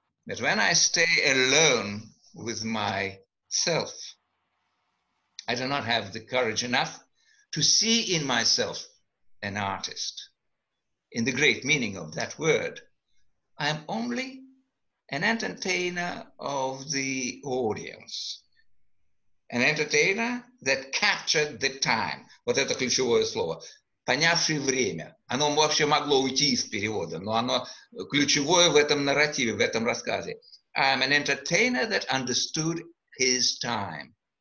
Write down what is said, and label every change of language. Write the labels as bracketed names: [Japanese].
[English] But when I stay alone with myself, I do not have the courage enough to see in myself an artist. In the great meaning of that word, I am only an entertainer of the audience, an entertainer that captured the time. [Russian] Вот это ключевое слово. Понявший время. Оно вообще могло уйти из перевода, но оно ключевое в этом нарративе, в этом рассказе. [English] I am an entertainer that understood his time.